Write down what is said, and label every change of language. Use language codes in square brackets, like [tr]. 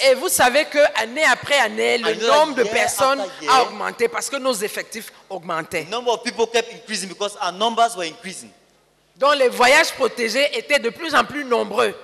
[fr] Et vous savez que année après année, le nombre de personnes a augmenté parce que nos effectifs augmentaient. [en] The number of people kept increasing because our numbers were increasing. [fr] Donc les voyages protégés étaient de plus en plus nombreux.